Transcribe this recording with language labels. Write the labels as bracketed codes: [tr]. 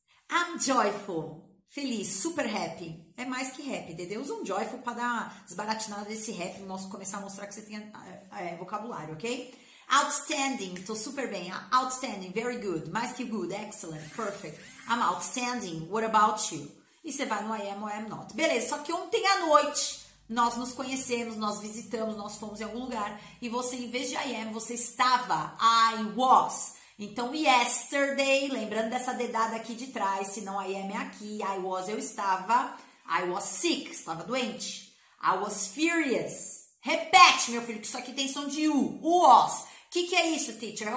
[en] I'm joyful, feliz, super happy. [pt] É mais que happy, entendeu? Usa um joyful pra dar uma desbaratinada desse happy, começar a mostrar que você tem vocabulário, ok? [en] Outstanding, [pt] tô super bem. [en] Outstanding, very good, [pt] mais que [en] good, excellent, perfect. I'm outstanding, what about you? [pt] E você vai no I am ou [en] I am not. [pt] Beleza, só que ontem à noite nós nos conhecemos, nós visitamos, nós fomos em algum lugar e você, em vez de I am, você estava, I was. Então, yesterday, lembrando dessa dedada aqui de trás, se não I am é aqui, I was, eu estava, [en] I was sick, [pt] estava doente, [en] I was furious, [pt] repete, meu filho, que isso aqui tem som de U, was, que é isso, teacher?